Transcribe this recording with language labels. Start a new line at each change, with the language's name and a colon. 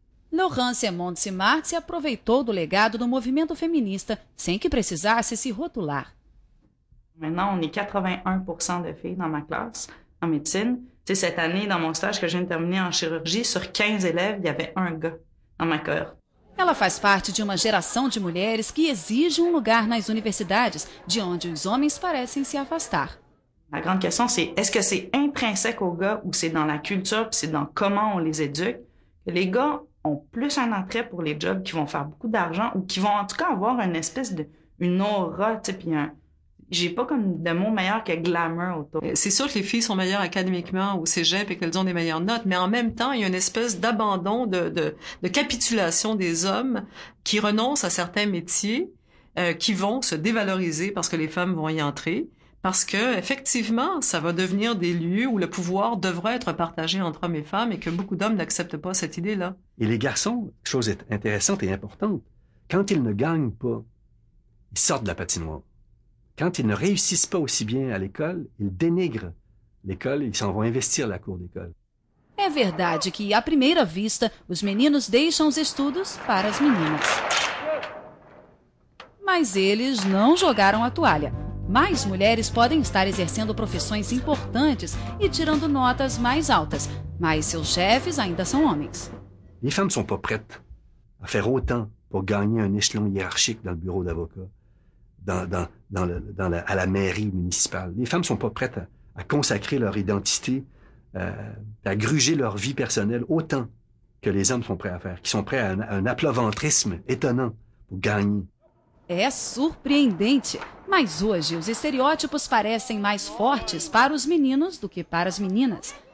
Portuguese: Laurence Mont-Simard se aproveitou do legado do movimento feminista, sem que precisasse se rotular.
French: Maintenant, on est 81% de filles dans ma classe, en médecine. T'sais, cette année, dans mon stage que j'ai terminé en chirurgie, sur 15 élèves, il y avait un gars dans ma cohorte.
Portuguese: Ela faz parte de uma geração de mulheres que exige um lugar nas universidades, de onde os homens parecem se afastar. A grande questão é:
French: est-ce que c'est intrinsèque aux gars ou c'est dans la culture, puis c'est dans comment on les éduque, que les gars ont plus un attrait pour les jobs qui vont faire beaucoup d'argent ou qui vont en tout cas avoir une espèce de une aura, tu sais, puis un. J'ai pas comme de mot meilleur que glamour autour. C'est sûr que les filles sont meilleures académiquement au cégep et qu'elles ont des meilleures notes, mais en même temps, il y a une espèce d'abandon, de capitulation des hommes qui renoncent à certains métiers, qui vont se dévaloriser parce que les femmes vont y entrer, Parce que, effectivement, ça va devenir des lieux où le pouvoir devrait être partagé entre hommes et femmes et que beaucoup d'hommes n'acceptent pas cette idée-là. Et les garçons, chose intéressante et importante, quand ils ne gagnent pas, ils sortent de la patinoire. Quand ils ne réussissent pas aussi bien à l'école, ils dénigrent l'école et ils s'en vont investir la cour d'école.
Portuguese: É verdade que, à primeira vista, os meninos deixam os estudos para as meninas. Mas eles não jogaram a toalha. Mais mulheres podem estar exercendo profissões importantes e tirando notas mais altas, mas seus chefes ainda são homens.
French: Les femmes sont pas prêtes à faire autant pour gagner un échelon hiérarchique dans le bureau d'avocat, à la mairie municipale. Les femmes sont pas prêtes à consacrer leur identité, à gruger leur vie personnelle autant que les hommes sont prêts à faire, qui sont prêts à un aploventrisme étonnant pour gagner.
Portuguese: É surpreendente, mas hoje os estereótipos parecem mais fortes para os meninos do que para as meninas.